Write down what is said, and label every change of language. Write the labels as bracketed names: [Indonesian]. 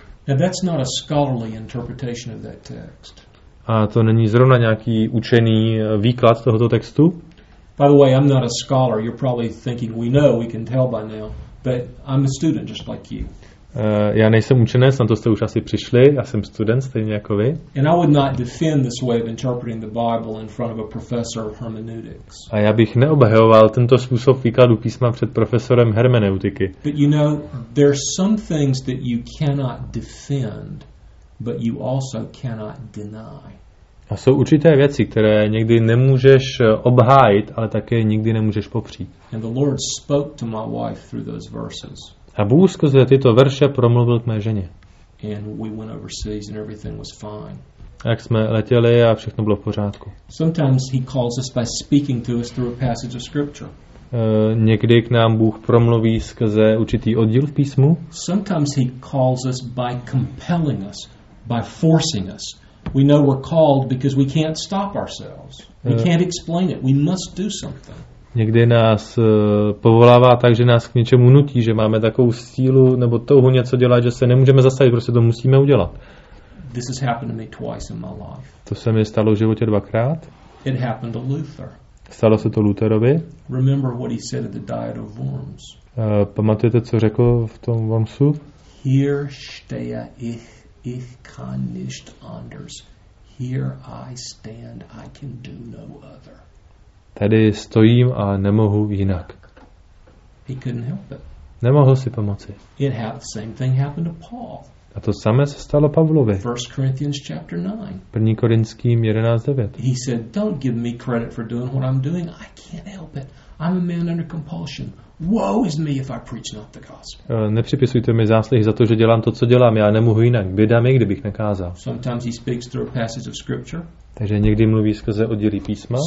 [English] Now that's not a scholarly interpretation of that text. [Czech] A to není zrovna nějaký učený výklad tohoto textu? [English] By the way, I'm not a scholar. You're probably thinking, we know, we can tell by now. But I'm a student, just like you. [Czech] Já nejsem učenec, na to jste už asi přišli. Já jsem student, stejně jako vy. [English] And I would not defend this way of interpreting the Bible in front of a professor of hermeneutics. [Czech] A já bych neobhajoval tento způsob výkladu písma před profesorem hermeneutiky. [English] But you know, there are some things that you cannot defend, but you also cannot deny. [Czech] A jsou určité věci, které někdy nemůžeš obhájit, ale také nikdy nemůžeš popřít. [English] And the Lord spoke to my wife through those verses. [Czech] A Bůh skrze tyto verše promluvil k mé ženě. [English] And we went overseas and everything was fine. [Czech] Jak jsme letěli a všechno bylo v pořádku. [English] Sometimes he calls us by speaking to us through a passage of scripture. [Czech] Někdy k nám Bůh promluví skrze určitý oddíl v písmu. [English] Sometimes he calls us by compelling us, by forcing us. We know we're called because we can't stop ourselves. We can't explain it. We must do something. [Czech] Někdy nás povolává tak, že nás k něčemu nutí, že máme takovou sílu nebo touhu něco dělat, že se nemůžeme zastavit, prostě to musíme udělat. [English] This has happened to me twice in my life. [Czech] To se mi stalo v životě dvakrát. [English] It happened to Luther. [Czech] Stalo se to Lutherovi. [English] Remember what he said at the Diet of Worms. [Czech] Pamatujete, co řekl v tom Wormsu? [German] Here stehe ich. Ich kann nicht anders. [English] Here I stand, I can do no other. [Czech] Tady stojím a nemohu jinak. [English] He couldn't help it. [Czech] Nemohl si pomoci. [English] It had, same thing happened to Paul. [Czech] A to samé se stalo Pavlovi. [English] 1 Corinthians chapter 9. [Czech] 1. Korinským 11:9. [English] He said, don't give me credit for doing what I'm doing. I can't help it. I'm a man under compulsion. Woe is me if I preach not the gospel. [Czech] Nepřipisujte mi zásluhy za to, že dělám to, co dělám. Já nemohu jinak. Běda mi, kdybych nekázal. [English] Sometimes he speaks through a passage of scripture. [Czech] Takže někdy mluví skrze oddělí písma.